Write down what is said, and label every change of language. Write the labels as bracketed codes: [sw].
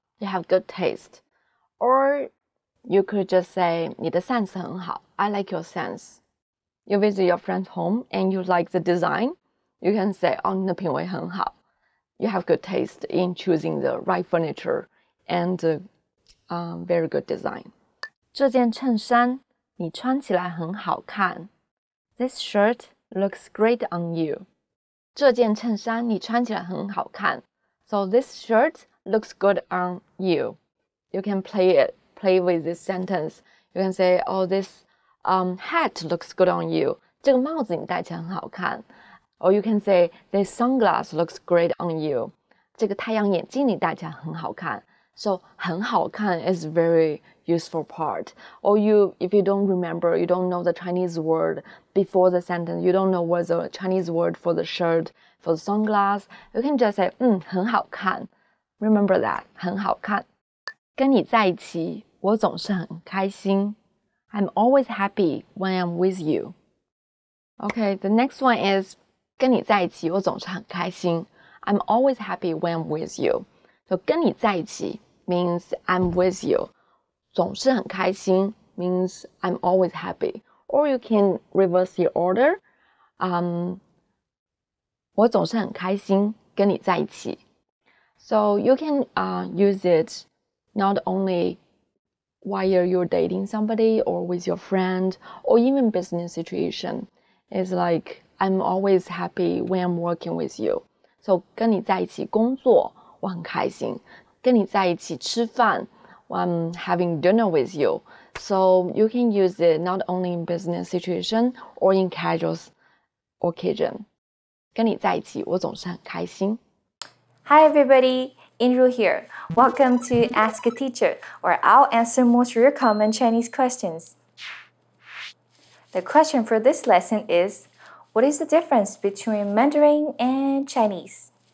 [en] You have good taste. Or you could just say [zh] 你的 sense 很好。 [en] I like your sense. You visit your friend's home and you like the design. You can say [zh] 哦，你的品味很好。 [en] You have good taste in choosing the right furniture and very good design. [zh] 这件衬衫你穿起来很好看。 [en] This shirt looks great on you. [zh] 这件衬衫你穿起来很好看。 [en] So this shirt looks good on you. You can play it, play with this sentence. You can say, oh, this hat looks good on you. [zh] 这个帽子你戴起来很好看。 [en] Or you can say, this sunglass looks great on you. [zh] 这个太阳眼镜你戴起来很好看。 [en] So, [zh] 很好看 [en] is a very useful part. Or you, if you don't remember, you don't know the Chinese word before the sentence, you don't know what the Chinese word for the shirt, for the sunglass, you can just say, [zh] 很好看。 [en] Remember that, [zh] 很好看。跟你在一起，我总是很开心。 [en] I'm always happy when I'm with you. Okay, the next one is, [zh] 跟你在一起，我总是很开心。 [en] I'm always happy when I'm with you. So, [zh] 跟你在一起 [en] means I'm with you. [zh] 总是很开心 [en] means I'm always happy. Or you can reverse the order. [zh] 我总是很开心跟你在一起。 [en] So, you can use it not only while you're dating somebody or with your friend or even business situation. It's like, I'm always happy when I'm working with you. So, [zh] 跟你在一起工作我很开心跟你在一起吃饭 [en] I'm having dinner with you. So you can use it not only in business situation or in casual occasion. [zh] 跟你在一起我总是很开心。 [en] Hi everybody, Inru here. Welcome to Ask a Teacher, where I'll answer most of your common Chinese questions. The question for this lesson is, what is the difference between Mandarin and Chinese?